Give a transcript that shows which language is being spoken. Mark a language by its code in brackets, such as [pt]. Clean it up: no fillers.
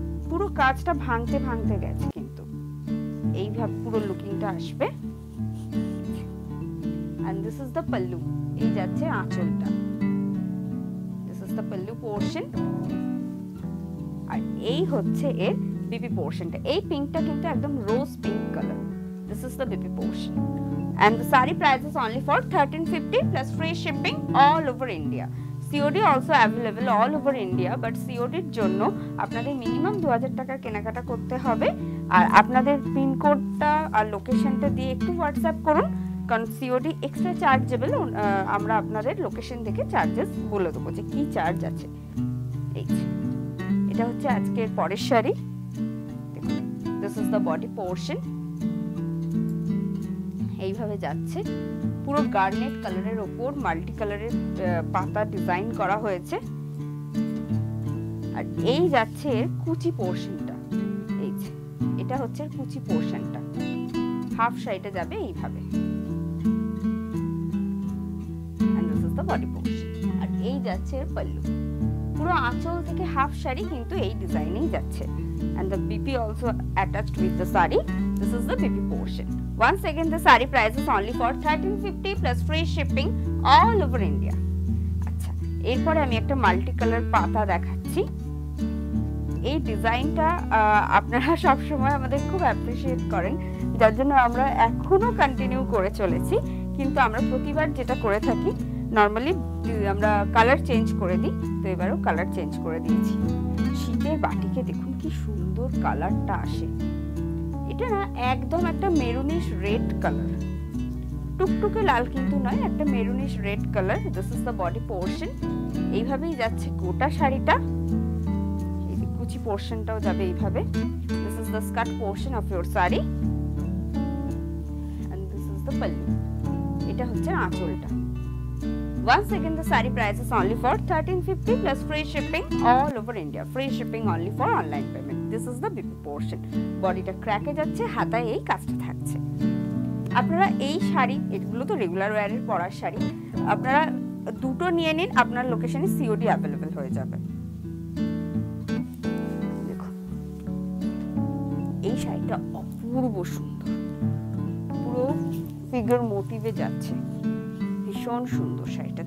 [bn] পুরো কাজটা ভাঙতে ভাঙতে গেছে, কিন্তু এইভাবে পুরো লুকিংটা আসবে। [en] and this is the pallu, [bn] এই যাচ্ছে আঁচলটা। [en] this is the pallu portion, [bn] আর এই হচ্ছে এর বিপি পোর্শনটা। এই পিঙ্কটা কিন্তু একদম রোজ pink colour. [en] This is the BP portion. And the sari price is only for 1350 plus free shipping all over India. COD also available all over India, but [bn] COD এর জন্য আপনাদের মিনিমাম 2000 টাকা কেনাকাটা করতে হবে। আর আপনাদের পিন কোডটা আর লোকেশনটা দিয়ে একটু হোয়াটসঅ্যাপ করুন, কারণ COD এক্সট্রা চার্জেবল। আমরা আপনাদের লোকেশন দেখে চার্জেস বলে দেবো যে কি চার্জ আছে। এটা হচ্ছে আজকের পরের শাড়ি, দেখুন। [en] This is the body portion. [bn] এইভাবে যাচ্ছে, পুরো গার্নেট কালারের উপর মাল্টি কালারের পাতা ডিজাইন করা হয়েছে। আর এই যাচ্ছে কুচি পোর্শনটা, এই যে এটা হচ্ছে কুচি পোর্শনটা, হাফ শাড়িটা যাবে এইভাবে। [en] and this is the body portion, [bn] আর এই যাচ্ছে পল্লু। পুরো আঁচল থেকে হাফ শাড়ি কিন্তু এই ডিজাইনেই যাচ্ছে। [en] And the BP also attached with the sari. This is the BP portion. Once again, the saree price is only for 1350 plus free shipping all over India. [bn] আচ্ছা, এরপরে আমি একটা মাল্টিকালার পাতা দেখাচ্ছি। এই ডিজাইনটা আপনারা সবসময় আমাদের খুব অ্যাপ্রিসিয়েট করেন, যার জন্য আমরা এখনও কন্টিনিউ করে চলেছি। কিন্তু আমরা প্রতিবার যেটা করে থাকি, নর্মালি আমরা কালার চেঞ্জ করে দিই, তো এবারও কালার চেঞ্জ করে দিয়েছি। শীতের বাটিকে দেখুন কি সুন্দর কালারটা আসে, এটা না একদম একটা মেরুনিশ রেড কালার, টুকটুকে লাল কিন্তু নয়, একটা maroonish red colour. [en] this is the body portion, [bn] এইভাবেই যাচ্ছে গোটা শাড়িটা। এই কুচি পোর্শনটাও যাবে এইভাবে। [en] this is the skirt portion of your sari, and this is the pallu, [bn] এটা হচ্ছে আঁচলটা। [en] Once again, the saree price is only for 1350 plus free shipping all over India. Free shipping only for online payment. This is the BP portion. [bn] Body টা ক্র্যাকে যাচ্ছে, হাতায় এই কাজটা থাকছে। আপনারা এই শাড়ি, এগুলো তো রেগুলার ওয়্যারের পরার শাড়ি, আপনারা দুটো নিয়ে নিন, আপনার লোকেশনে COD অ্যাভেলেবেল হয়ে যাবে। দেখুন এই শাড়িটা অপূর্ব সুন্দর, পুরো ফিগার মোটিভে যাচ্ছে, ভীষণ সুন্দর শাড়িটা।